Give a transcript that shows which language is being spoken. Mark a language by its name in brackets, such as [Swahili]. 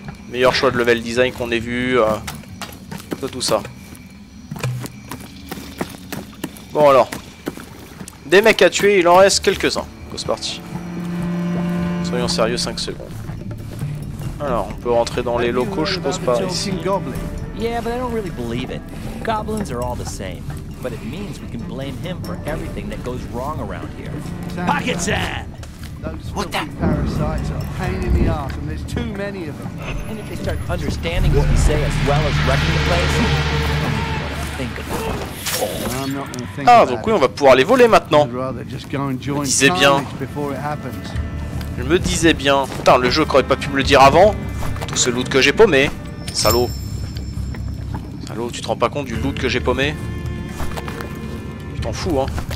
[French] meilleur choix de level design qu'on ait vu, tout ça. Bon alors, des mecs à tuer, il en reste quelques-uns. C'est parti. Soyons sérieux, 5 secondes. Alors, on peut rentrer dans les locaux, je pense pas. [English] Yeah, but I don't really believe it. Goblins are all the same. But it means we can blame him for everything that goes wrong around here. Pocket Sam! What the? Those parasites are a pain in the ass, and there's too many of them. And if they start understanding what we say as well as wrecking the place, I don't want to think about it. [French] Ah, donc oui, on va pouvoir les voler maintenant. Je me disais bien. Putain, le jeu n'aurait pas pu me le dire avant. Tout ce loot que j'ai paumé. Salaud, tu te rends pas compte du loot que j'ai paumé? Tu t'en fous, hein.